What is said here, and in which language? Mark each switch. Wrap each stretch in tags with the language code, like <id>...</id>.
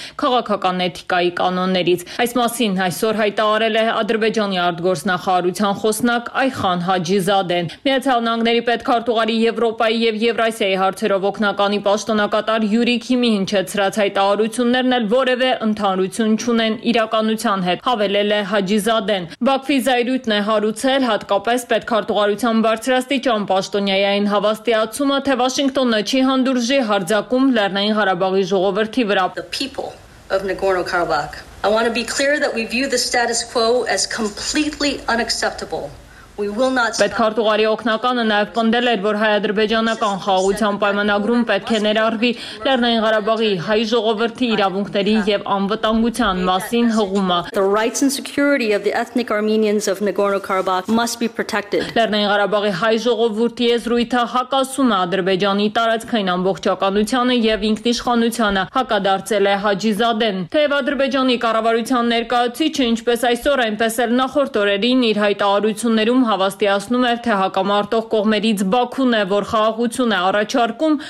<hy>քաղաքական էթիկայի կանոններից։ Այս մասին այսօր հայտարարել է Ադրբեջանի արտգործնախարարության խոսնակ Այխան Հաջիզադեն։ Միացյալ Նահանգների պետքարտուղարի Եվրոպայի և Եվրասիայի հարցերով օգնականի պաշտոնակատար Յուրի Քիմի հնչեցրած հայտարարություններն էլ որևէ ընդհանրություն չունեն իրականության հետ, հավելել է Հաջիզադեն։ Բաքվի զայրույթն է հարուցել հատկապես պետքարտուղարության բարձր աստիճան պաշտոնյայային հավաստիացումը, թե Վաշինգտոնը չի հանդուրժի հարձակում Լեռնային Ղարաբաղի ժողովրդի վրա։</hy> <en>The people of Nagorno-Karabakh. I want to be clear that we view the status quo as completely unacceptable.</en> <hy>Պետքարտուղարի օգնականը նաև պնդել էր, որ հայ-ադրբեջանական խաղաղության պայմանագրում պետք է ներառվի Լեռնային Ղարաբաղի հայ ժողովրդի իրավունքների եւ անվտանգության մասին հղումը։</hy> <en>The rights and security of the ethnic Armenians of Nagorno-Karabakh must be protected.</en> <hy>Լեռնային Ղարաբաղի հայ ժողովրդի եզրույթը հակասում է Ադրբեջանի տարածքային ամբողջականությանը եւ ինքնիշխանությանը, հակադարձել է Հաջիզադեն։ Թեև Ադրբեջանի կառավարության ներկայացիչը, ինչպես այսօր, այնպես էլ նախորդ օրերին իր հայտարարությունները հավաստիացնում էր, թե հակամարտող կողմերից Բաքուն է, որ խաղաղություն է առաջարկում,</hy>